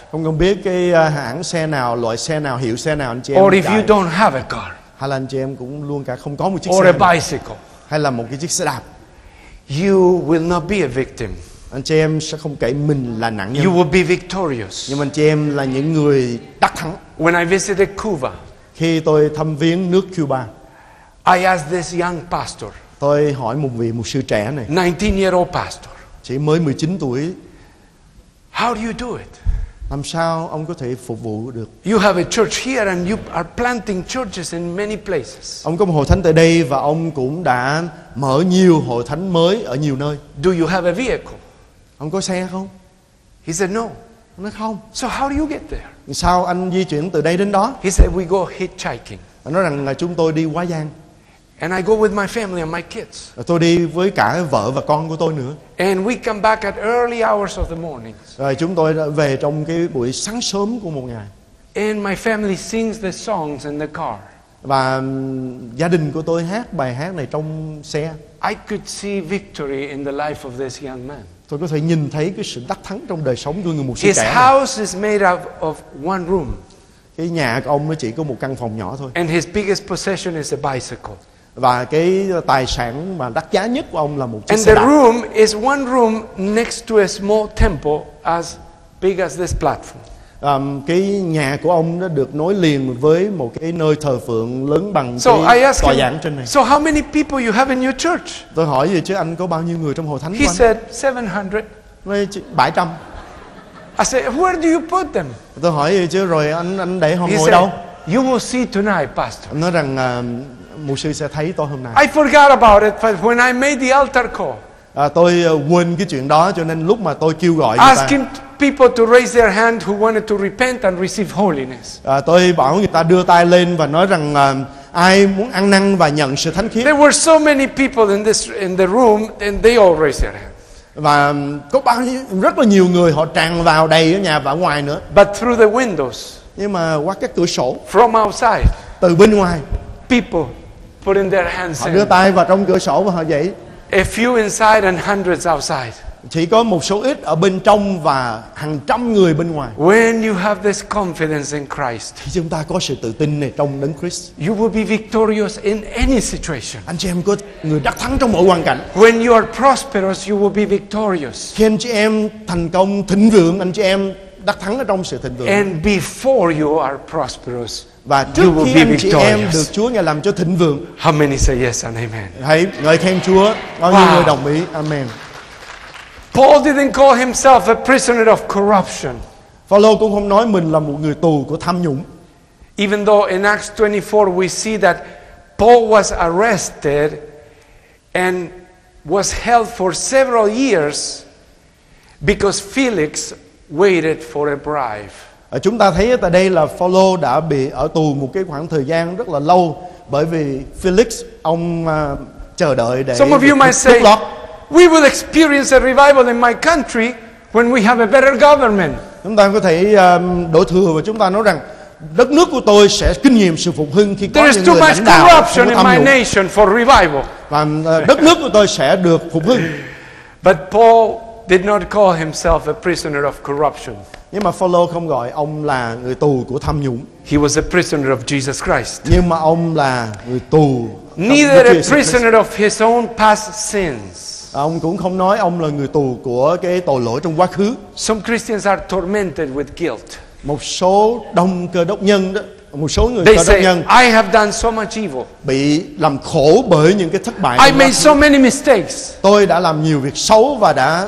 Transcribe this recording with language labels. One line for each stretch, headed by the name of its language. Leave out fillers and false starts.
Vietnamese: Không cần biết cái hãng xe nào, loại xe nào, hiệu xe nào anh chị em.
English: Or if you don't have a car.
Vietnamese: Hay là anh chị em cũng luôn cả không có một chiếc xe
English: bicycle,
Vietnamese: hay là một cái chiếc xe đạp.
English: You will not be a victim.
Vietnamese: Anh chị em sẽ không kể mình là nạn nhân.
English: You will be victorious.
Vietnamese: Nhưng anh chị em là những người đắc thắng.
English: When I visited Cuba,
Vietnamese: khi tôi thăm viếng nước Cuba,
English: I asked this young pastor.
Vietnamese: Tôi hỏi một vị mục sư trẻ này.
English: 19-year-old pastor.
Vietnamese: Chỉ mới 19 tuổi.
English: How do you do it?
Vietnamese: Làm sao ông có thể phục vụ được?
English: You have a church here and you are planting churches in many places.
Vietnamese: Ông có một hội thánh tại đây và ông cũng đã mở nhiều hội thánh mới ở nhiều nơi.
English: Do you have a vehicle?
Vietnamese: Ông có xe không?
English: He said no.
Vietnamese: Ông nói không.
English: So how do you get there?
Vietnamese: Sao anh di chuyển từ đây đến đó?
English: He said we go hitchhiking.
Vietnamese: Ông nói rằng là chúng tôi đi quá giang.
English: And I go with my family and my kids.
Vietnamese: Tôi đi với cả vợ và con của tôi nữa.
English: And we come back at early hours of the morning.
Vietnamese: Rồi chúng tôi về trong cái buổi sáng sớm của một ngày.
English: And my family sings the songs in the car.
Vietnamese: Và gia đình của tôi hát bài hát này trong xe.
English: I could see victory in the life of this young man.
Vietnamese: Tôi có thể nhìn thấy cái sự đắc thắng trong đời sống của người mục sư
English: His
Vietnamese: trẻ.
English: His house is made up of one room.
Vietnamese: Cái nhà của ông nó chỉ có một căn phòng nhỏ thôi.
English: And his biggest possession is a bicycle.
Vietnamese: Và cái tài sản mà đắt giá nhất của ông là một chiếc
English: and
Vietnamese: xe đạp.
English: And the room is one room next to a small temple as big as this platform.
Vietnamese: Cái nhà của ông nó được nối liền với một cái nơi thờ phượng lớn bằng
English: so
Vietnamese: cái tòa giảng trên này.
English: So how many people you have in your church?
Vietnamese: Tôi hỏi vậy chứ anh có bao nhiêu người trong hội thánh
English: He
Vietnamese: của anh?
English: He said 700.
Vietnamese: Vậy chứ 700.
English: I said where do you put them?
Vietnamese: Tôi hỏi vậy chứ rồi anh để họ
English: He
Vietnamese: ngồi
English: said,
Vietnamese: đâu?
English: You will see tonight, pastor.
Vietnamese: Nói rằng mục sư sẽ thấy tôi hôm nay.
English: I forgot about it, but when I made the altar call.
Vietnamese: Tôi quên cái chuyện đó, cho nên lúc mà tôi kêu gọi.
English: Asking people to raise their hand who wanted to repent and receive holiness.
Vietnamese: Tôi bảo người ta đưa tay lên và nói rằng ai muốn ăn năn và nhận sự thánh khiết.
English: There were so many people in the room, and they all raised their hand.
Vietnamese: Và có bao nhiêu rất là nhiều người họ tràn vào đầy ở nhà và ở ngoài nữa.
English: But through the windows.
Vietnamese: Nhưng mà qua các cửa sổ.
English: From outside.
Vietnamese: Từ bên ngoài.
English: People. Put in their hands
Vietnamese: họ đưa tay vào trong cửa sổ và họ dậy.
English: A few inside and hundreds outside.
Vietnamese: Chỉ có một số ít ở bên trong và hàng trăm người bên ngoài.
English: When you have this confidence in Christ,
Vietnamese: thì chúng ta có sự tự tin này trong Đấng Christ.
English: You will be victorious in any situation.
Vietnamese: Anh chị em có người đắc thắng trong mọi hoàn cảnh.
English: When you are prosperous, you will be victorious.
Vietnamese: Khi anh chị em thành công thịnh vượng, anh chị em đắc thắng ở trong sự thịnh vượng.
English: And before you are prosperous.
Vietnamese: Và trước khi anh chị em được Chúa ngài làm cho thịnh vượng.
English: How many say yes and amen?
Vietnamese: Hãy ngợi khen Chúa. Bao nhiêu người đồng ý? Amen.
English: Paul didn't call himself a prisoner of corruption.
Vietnamese: Phaolô cũng không nói mình là một người tù của tham nhũng.
English: Even though in Acts 24 we see that Paul was arrested and was held for several years because Felix waited for a bribe.
Vietnamese: Chúng ta thấy tại đây là Phaolô đã bị ở tù một cái khoảng thời gian rất là lâu bởi vì Felix ông chờ đợi để
English: Some of you might say we will experience a revival in my country when we have a better government.
Vietnamese: Chúng ta có thể đổ thừa và chúng ta nói rằng đất nước của tôi sẽ kinh nghiệm sự phục hưng khi có
English: There is
Vietnamese: những người
English: too much corruption in my nation for revival.
Vietnamese: Và đất nước của tôi sẽ được phục hưng.
English: But Paul did not call himself a prisoner of corruption.
Vietnamese: Nhưng mà Phaolô không gọi ông là người tù của tham nhũng.
English: He was a prisoner of Jesus Christ.
Vietnamese: Nhưng mà ông là người tù.
English: Neither a prisoner of his own past sins.
Vietnamese: Ông cũng không nói ông là người tù của cái tội lỗi trong quá khứ.
English: Some Christians are tormented with guilt.
Vietnamese: Một số đông cơ đốc nhân đó, một số người cơ đốc nhân.
English: I have done so much evil.
Vietnamese: Bị làm khổ bởi những cái thất bại.
English: I made so many mistakes.
Vietnamese: Tôi đã làm nhiều việc xấu và đã